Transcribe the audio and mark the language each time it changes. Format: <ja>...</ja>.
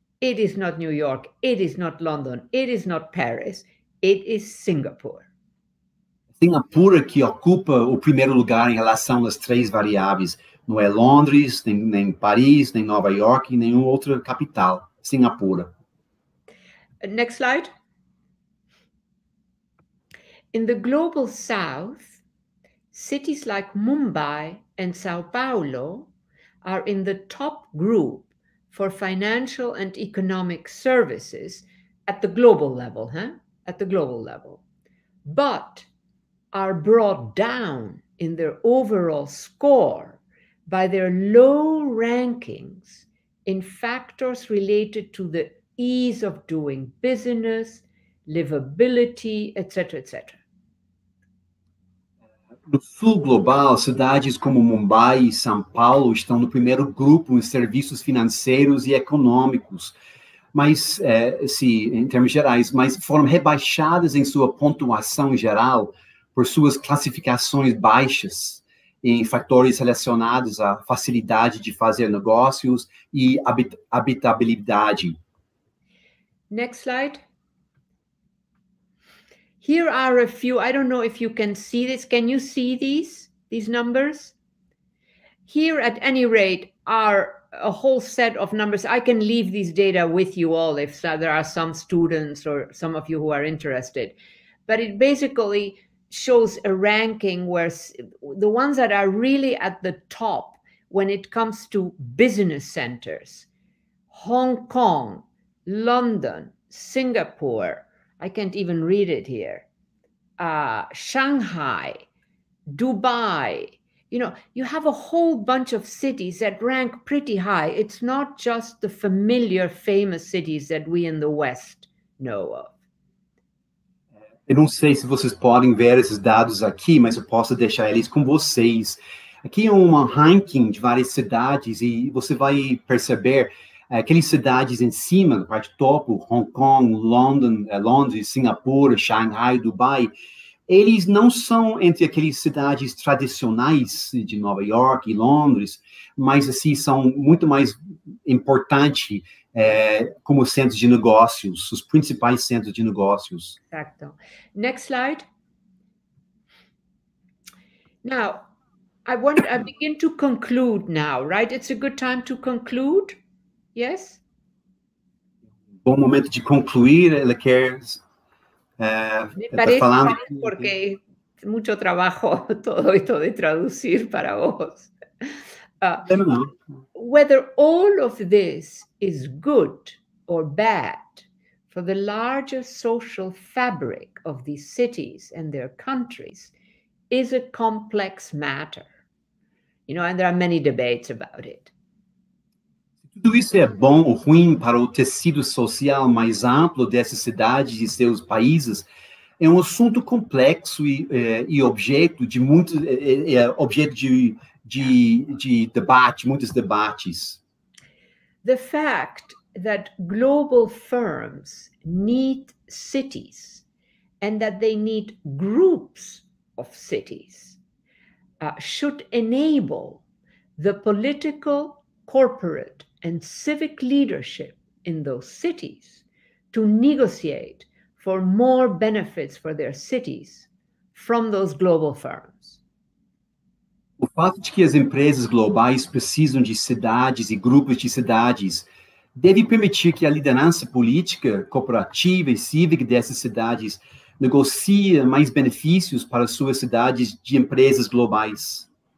<en>It is not New York, it is not London, it is not Paris, it is Singapore.</en> <pt>Singapura que ocupa o primeiro lugar em relação às três variáveis. Não é Londres, nem Paris, nem Nova York e nenhuma outra capital. Singapura.</pt> <en>Next slide. In the global south, cities like Mumbai and Sao Paulo are in the top group for financial and economic services at the global level, at the global level, but are brought down in their overall score by their low rankings in factors related to the ease of doing business, livability, etc., etc.</en> <pt>No sul global, cidades como Mumbai e São Paulo estão no primeiro grupo em serviços financeiros e econômicos, mas, em termos gerais, mas foram rebaixadas em sua pontuação geral por suas classificações baixas em fatores relacionados à facilidade de fazer negócios e habitabilidade.</pt> <en>Next slide. Here are a few, I don't know if you can see this. Can you see these numbers? Here at any rate are a whole set of numbers. I can leave these data with you all if there are some students or some of you who are interested. But it basically shows a ranking where the ones that are really at the top when it comes to business centers, Hong Kong, London, Singapore, I can't even read it here, Shanghai, Dubai, You know, you have a whole bunch of cities that rank pretty high. It's not just the familiar, famous cities that we in the West know of.</en> <pt>Eu não sei se vocês podem ver esses dados aqui, mas eu posso deixar eles com vocês. Aqui é um ranking de várias cidades e você vai perceber aquelas cidades em cima, na parte topo, Hong Kong, London, Londres, Singapura, Shanghai, Dubai, eles não são entre aquelas cidades tradicionais de Nova York e Londres, mas assim, são muito mais importantes como centros de negócios, os principais centros de negócios. Exato.</pt> <en>Next slide. Now, I begin to conclude now, right? It's a good time to conclude, yes?</en> <pt>Bom momento de concluir, ela quer... Me parece falando... porque é muito trabalho todo isso de traduzir para vocês.</pt> <en>Whether all of this is good or bad for the larger social fabric of these cities and their countries is a complex matter. You know, and there are many debates about it.</en> <pt>Tudo isso é bom ou ruim para o tecido social mais amplo dessas cidades e seus países é um assunto complexo e objeto de debate, muitos debates.</pt> <en>The fact that global firms need cities and that they need groups of cities should enable the political, corporate, and civic leadership in those cities to negotiate for more benefits for their cities from those global firms.</en> <pt>O fato de que as empresas globais precisam de cidades e grupos de cidades deve permitir que a liderança política, corporativa e cívica dessas cidades negocie mais benefícios para suas cidades de empresas globais.</pt>